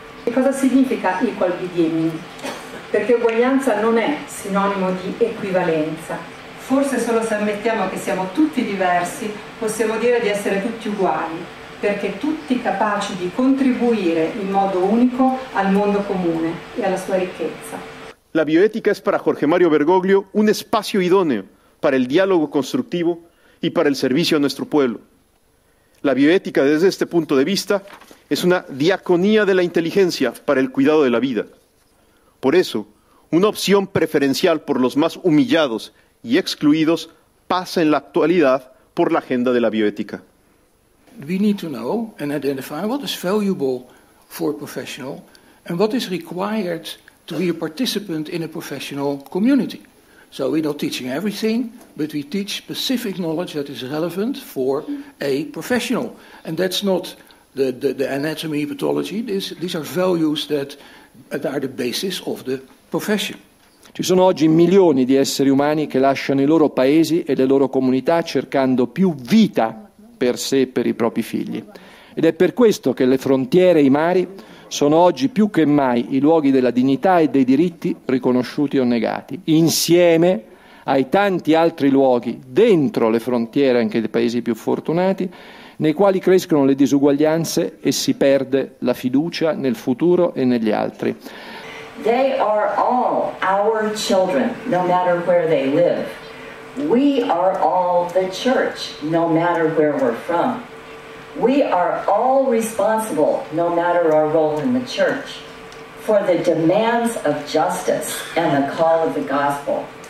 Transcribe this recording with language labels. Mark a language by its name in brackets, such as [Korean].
[Italian] E cosa significa [English] equal beginning? [Italian] Perché uguaglianza non è sinonimo di equivalenza. Forse solo se ammettiamo che siamo tutti diversi possiamo dire di essere tutti uguali, perché tutti capaci di contribuire in modo unico al mondo comune e alla sua ricchezza. [Spanish] La bioética es para Jorge Mario Bergoglio un espacio idóneo para el diálogo constructivo y para el servicio a nuestro pueblo. La bioética, desde este punto de vista, es una diaconía de la inteligencia para el cuidado de la vida. Por eso, una opción preferencial por los más humillados y excluidos pasa en la actualidad por la agenda de la bioética. [English] We need to know and identify what is valuable for a professional and what is required to be a participant in a professional community. So we're not teaching everything, but we teach specific knowledge that is relevant for a professional. And that's not the anatomy, pathology. These are values that are the basis of the profession. [Italian] Ci sono oggi milioni di esseri umani che lasciano i loro paesi e le loro comunità cercando più vita per sé e per i propri figli. Ed è per questo che le frontiere e i mari sono oggi più che mai i luoghi della dignità e dei diritti riconosciuti o negati, insieme ai tanti altri luoghi, dentro le frontiere anche dei paesi più fortunati, nei quali crescono le disuguaglianze e si perde la fiducia nel futuro e negli altri. [English] They are all our children, no matter where they live. We are all the church, no matter where we're from. We are all responsible, no matter our role in the church, for the demands of justice and the call of the gospel.